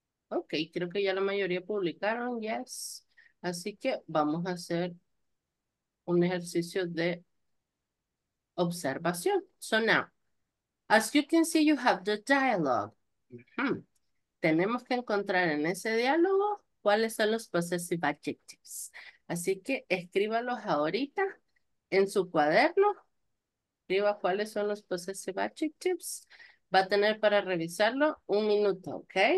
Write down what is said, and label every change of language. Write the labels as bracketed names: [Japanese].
[Spanish] Okay, creo que ya la mayoría publicaron, yes. Así que vamos a hacer un ejercicio de observación. [English] So now, as you can see, you have the dialogue. Mm-hmm. [Spanish] Tenemos que encontrar en ese diálogo cuáles son los possessive adjectives. Así que escríbalos ahorita en su cuaderno. Escriba cuáles son los possessive adjectives. Va a tener para revisarlo un minuto, ¿ok?